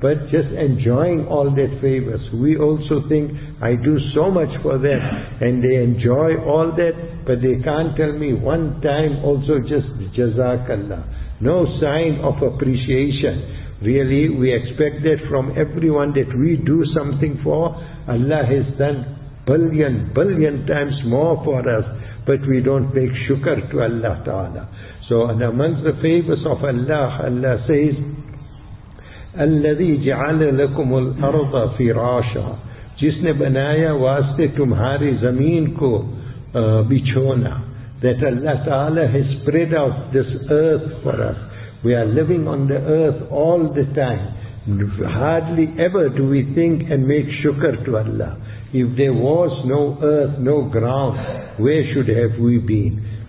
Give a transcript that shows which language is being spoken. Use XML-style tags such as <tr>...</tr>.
<en>But just enjoying all their favors. We also think, I do so much for them, and they enjoy all that, but they can't tell me one time also just Jazakallah. No sign of appreciation. Really, we expect that from everyone that we do something for, Allah has done billion times more for us, but we don't make shukr to Allah Ta'ala. So, and amongst the favors of Allah, Allah says,</en> <ar>الذي جعل لكم الارض فراشا,</ar> <ur>جس نے بنایا واسطے تمہاری زمین کو بچھونا.</ur> <en>That Allah Ta'ala has spread out this earth for us. We are living on the earth all the time. Hardly ever do we think and make shukr to Allah. If there was no earth, no ground, where should have we been?</en>